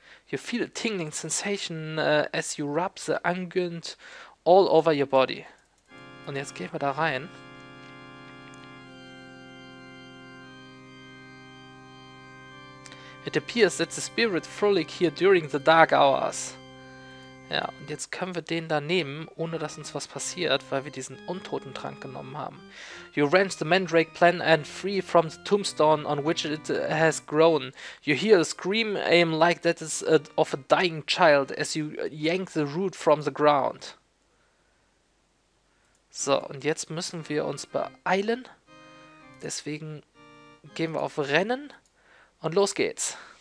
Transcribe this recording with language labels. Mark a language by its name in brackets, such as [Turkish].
[English] You feel a tingling sensation as you rub the unguent all over your body. [German] Und jetzt gehen wir da rein. [English] It appears that the spirit frolic here during the dark hours. [German] Ja, und jetzt können wir den da nehmen, ohne dass uns was passiert, weil wir diesen Untotentrank genommen haben. [English] You wrench the mandrake plant and free from the tombstone on which it has grown. You hear a scream aim like that is of a dying child as you yank the root from the ground. [German] So, und jetzt müssen wir uns beeilen. Deswegen gehen wir auf Rennen. Und los geht's.